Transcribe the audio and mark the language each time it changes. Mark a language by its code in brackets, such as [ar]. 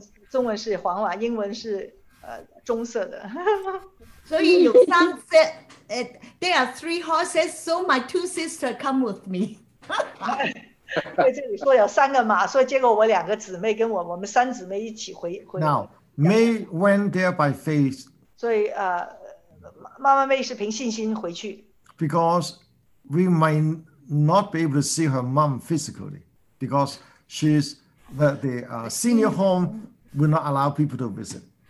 [zh] 中文是黄瓦, 英文是, 棕色的。所以有三只, [en] there are three horses, so my two sisters come with me. [zh] 对,这里说有三个马, 所以结果我两个姊妹跟我, 我们三姊妹一起回, [en] Now, May went there by faith. [zh] 所以, 妈妈妹是凭信心回去。 [en] Because we might not be able to see her mom physically, because she's the senior home will not allow people to visit.